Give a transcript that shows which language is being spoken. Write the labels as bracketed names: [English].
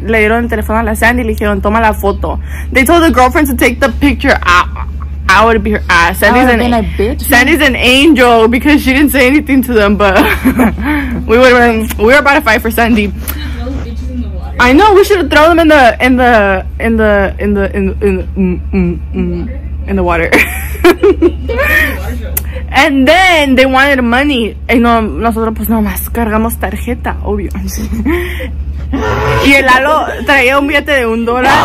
[Spanish] Le dieron el teléfono a la Sandy y le dijeron, toma la foto. [English] They told the girlfriend to take the picture out. I would be her ass. Sandy's an, bitch, Sandy's an angel because she didn't say anything to them, but we would have been, we were about to fight for Sandy. I know, we should have thrown them in the water. And then they wanted money. [Spanish] Y no, nosotros pues nomás cargamos tarjeta, obvio. Y el Lalo traía un billete de $1.